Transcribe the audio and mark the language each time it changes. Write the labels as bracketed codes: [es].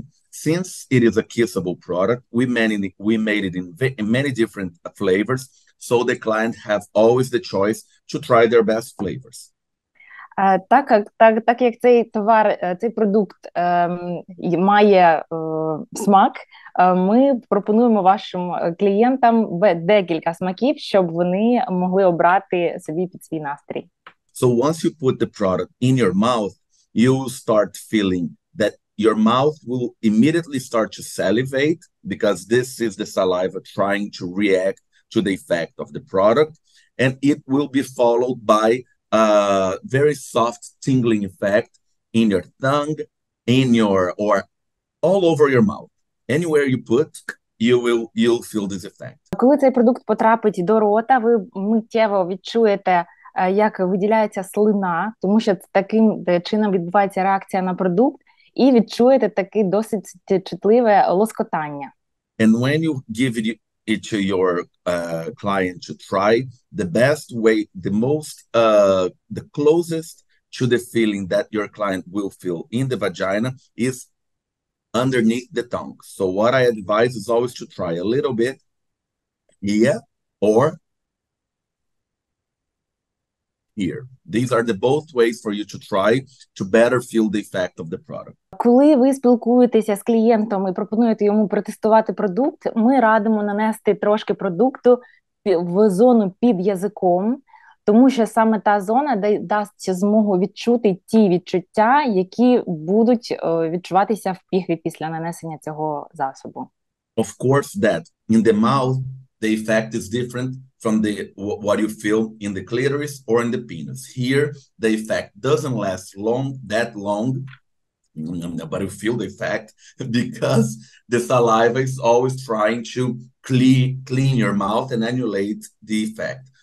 [en] Since it is a kissable product, we made it in many different flavors, so the client have always the choice to try their best flavors. [uk] Так як цей товар, цей продукт має смак, ми пропонуємо вашим клієнтам декілька смаків, щоб вони могли обрати собі під свій настрій. [en] So once you put the product in your mouth, you will start feeling that your mouth will immediately start to salivate because this is the saliva trying to react to the effect of the product, and it will be followed by a very soft tingling effect in your tongue, in your, or all over your mouth. Anywhere you put, you'll feel this effect. [uk] Коли цей продукт потрапить до рота, ви миттєво відчуєте, як виділяється слина, тому що таким чином відбувається реакція на продукт, і відчуєте таке досить чутливе лоскотання. [en] And when you give it to your client to try, the best way, the most, the closest to the feeling that your client will feel in the vagina is underneath the tongue. So what I advise is always to try a little bit here or here. These are the both ways for you to try to better feel the effect of the product. [uk] Коли ви спілкуєтеся з клієнтом і пропонуєте йому протестувати продукт, ми радимо нанести трошки продукту в зону під язиком, тому що саме та зона дасть змогу відчути ті відчуття, які будуть відчуватися в піхві після нанесення цього засобу. [en] Of course that in the mouth the effect is different from the what you feel in the clitoris or in the penis. Here the effect doesn't last long that long. But you feel the effect because the saliva is always trying to clean your mouth and annulate the effect.